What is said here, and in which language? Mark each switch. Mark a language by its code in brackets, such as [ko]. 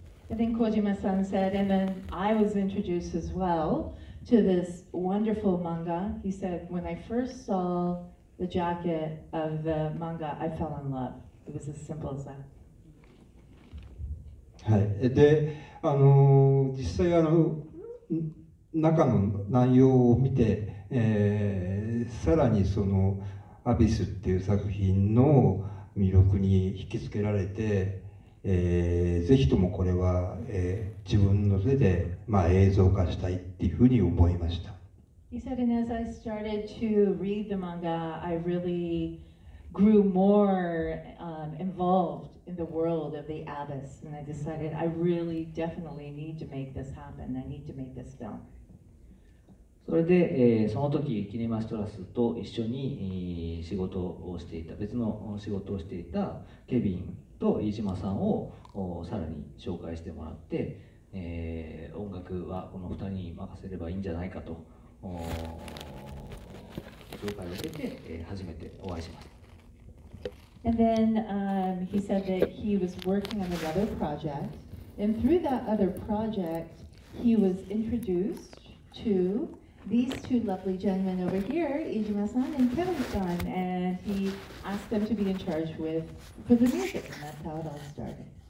[en] And then Kojima-san said, and then I was introduced as well to this wonderful manga. He said, when I first saw the jacket of the manga, I fell in love. It was as simple as that. [ja] はい。で、実際中の内容を見て、さらにそのアビスっていう作品の魅力に引きつけられて、ぜひともこれは、自分の手で、まあ、映像化したいっていうふうに思いました。 [en] He said, and as I started to read the manga, I really grew more involved in the world of the Abbas, and I decided I really definitely need to make this happen. I need to make this film. [ja] それで、その時キネマストラスと一緒に、仕事をしていた別の仕事をしていたケビンと飯島さんをさらに紹介してもらって、音楽はこの2人に任せればいいんじゃないかと紹介を受けて、初めてお会いしました。 [en] And then, he said that he was working on another project, and through that other project he was introduced toThese two lovely gentlemen over here, Iijima-san and Kevin-san, and he asked them to be in charge for the music, and that's how it all started.